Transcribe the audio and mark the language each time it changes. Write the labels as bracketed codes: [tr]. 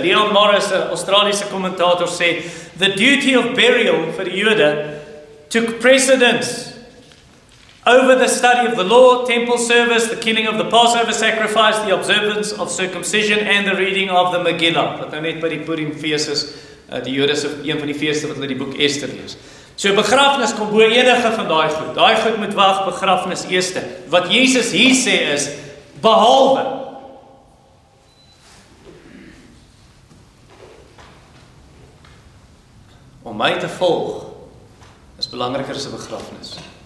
[en] Leon Morris, [af] 'n Australiese kommentator, sê, [en] the duty of burial for the Jode took precedence over the study of the law, temple service, the killing of the Passover sacrifice, the observance of circumcision and the reading of the Megillah. [af] Wat nou net by die Purim fees is, die Jode is een van die feeste wat hulle die boek Esther lees. So begrafnis kom bo enige van daai goed. Daai goed moet wag, begrafnis eerste. Wat Jesus hier sê is, behalwe. Om my te volg is belangriker as 'n begrafnis.